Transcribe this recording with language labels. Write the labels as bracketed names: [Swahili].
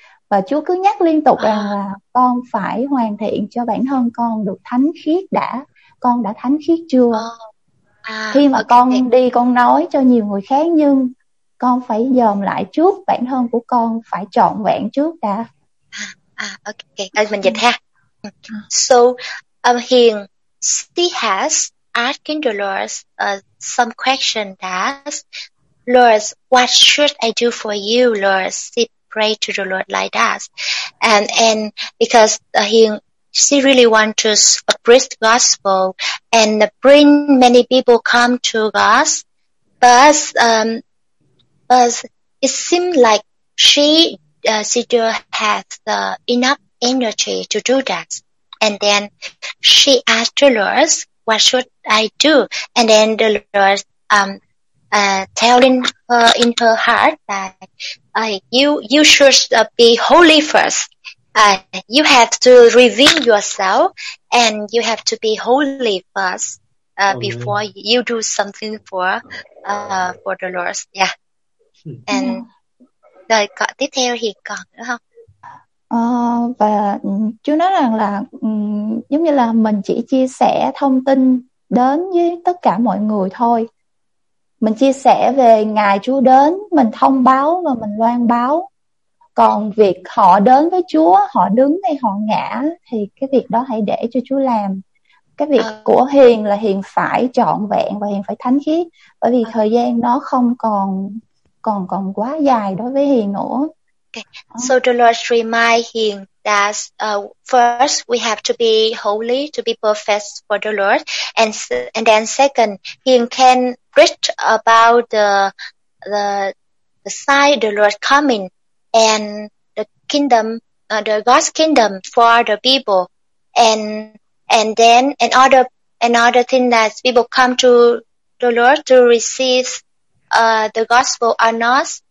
[Vietnamese] Và Chúa cứ nhắc liên tục rằng là con phải hoàn thiện cho bản thân con được thánh khiết đã. Con đã thánh khiết chưa? Khi mà con đi con nói cho nhiều người khác, nhưng con phải dòm lại trước, bản thân của con phải trọn vẹn trước đã. Mình dịch ha. [English] So Hiền, she has asked the Lord some question that, Lord, what should I do for you, Lord? She prayed to the Lord like that. And because she really wants to spread the gospel and bring many people come to God. But it seems like she don't have enough energy to do that. And then she asked the Lord, what should I do? And then the Lord telling her in her heart that you should be holy first. You have to reveal yourself and you have to be holy first before you do something for the Lord. Yeah. And [Vietnamese] rồi có tiếp theo thì còn nữa không? Và Chúa nói rằng là giống như là mình chỉ chia sẻ thông tin đến với tất cả mọi người thôi. Mình chia sẻ về ngày Chúa đến, mình thông báo và mình loan báo. Còn việc họ đến với Chúa, họ đứng hay họ ngã thì cái việc đó hãy để cho Chúa làm. Cái việc của Hiền là Hiền phải trọn vẹn và Hiền phải thánh khiết, bởi vì thời gian nó không còn quá dài đối với Hiền nữa. [English] So the Lord remind him that first we have to be holy, to be perfect for the Lord, and then second, he can preach about the sign the Lord coming and the kingdom, the God's kingdom for the people, and then another thing that people come to the Lord to receive the gospel or not.